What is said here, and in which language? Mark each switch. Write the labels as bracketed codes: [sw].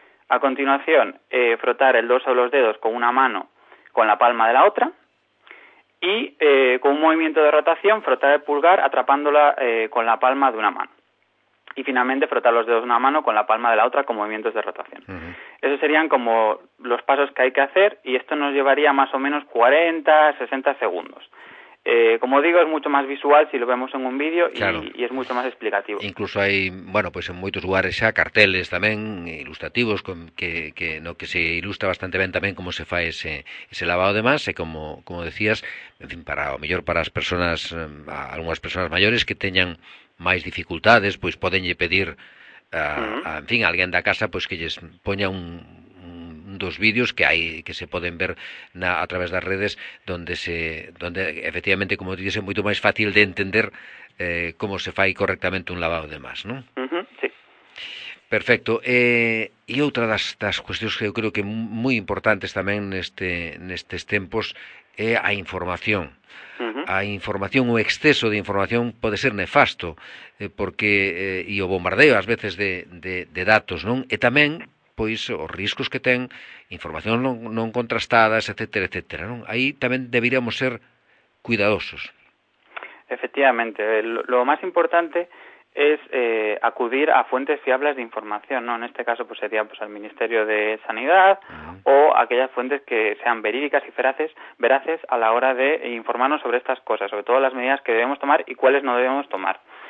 [es] a continuación frotar el dorso de los dedos con una mano con la palma de la otra, y con un movimiento de rotación frotar el pulgar atrapándola con la palma de una mano. Y finalmente frotar los dedos de una mano con la palma de la otra con movimientos de rotación. Esos serían como los pasos que hay que hacer y esto nos llevaría más o menos 40-60 segundos. Como digo, es mucho más visual si lo vemos en un vídeo, claro, y es mucho más explicativo. Incluso hay, [gl] bueno, pues en moitos lugares xa carteles tamén ilustrativos que no que se ilustra bastante ben tamén como se fa ese lavado de mans, e como decías, en fin, para o mellor para as persoas, algunhas persoas maiores que teñan máis dificultades, pois podenlle pedir en fin, a alguén da casa pois que lles poña dos vídeos que hai que se poden ver a través das redes donde efectivamente, como dices, é moito máis fácil de entender como se fai correctamente un lavado de mans, non? Sí. Perfecto. E outra das cuestións que eu creo que moi importantes tamén nestes tempos é a información. A información, o exceso de información pode ser nefasto porque e o bombardeo ás veces de datos, non? E tamén pois os riscos que ten información non contrastadas, etcétera, etcétera, non? Aí tamén deberíamos ser cuidadosos. [es] Efectivamente, lo más importante es acudir a fuentes fiables de información, ¿no? En este caso pues sería pues al Ministerio de Sanidad o aquellas fuentes que sean verídicas y veraces a la hora de informarnos sobre estas cosas, sobre todo las medidas que debemos tomar y cuáles no debemos tomar.